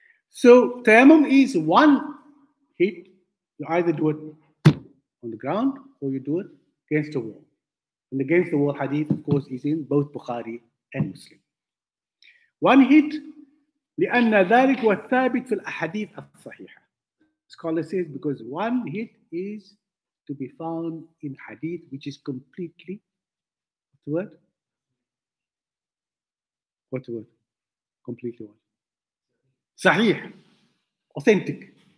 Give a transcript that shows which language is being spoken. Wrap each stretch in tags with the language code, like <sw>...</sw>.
<en>So tayammum is one hit. You either do it on the ground or you do it against the wall. And against the wall hadith, of course, is in both Bukhari and Muslim. One hit,</en> <ar>لِأَنَّ ذَلِكَ وَالثَّابِتْ فِي الْأَحَدِيثِ الصَّحِيحَةِ.</ar> <en>Scholar says, because one hit is to be found in hadith, which is completely, what's the word? Completely what? Sahih. Authentic.</en>